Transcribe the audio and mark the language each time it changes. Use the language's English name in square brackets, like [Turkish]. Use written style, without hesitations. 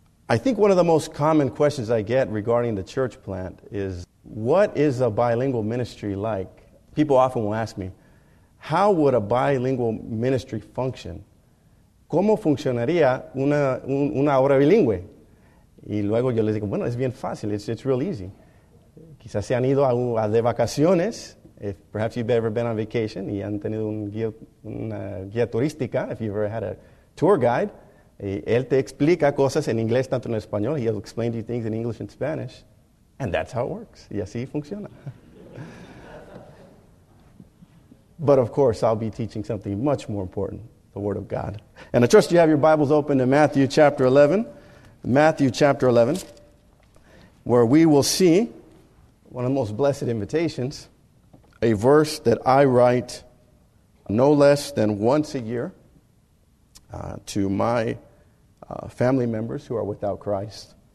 [English] I think one of the most common questions I get regarding the church plant is, what is a bilingual ministry like? People often will ask me, how would a bilingual ministry function? [Spanish] ¿Cómo funcionaría una obra bilingüe? Y luego yo les digo, bueno, es bien fácil, [English] it's real easy. [Spanish] Quizás se han ido a de vacaciones, [English] if perhaps you've ever been on vacation, [Spanish] y han tenido una guía turística, [English] if you've ever had a tour guide. [Spanish] Él te explica cosas en inglés, tanto en español. [English] He'll explain to you things in English and Spanish. And that's how it works. [Spanish] Y así funciona. [English] But of course, I'll be teaching something much more important, the Word of God. And I trust you have your Bibles open to Matthew chapter 11. Matthew chapter 11, where we will see one of the most blessed invitations, a verse that I write no less than once a year to my family members who are without Christ.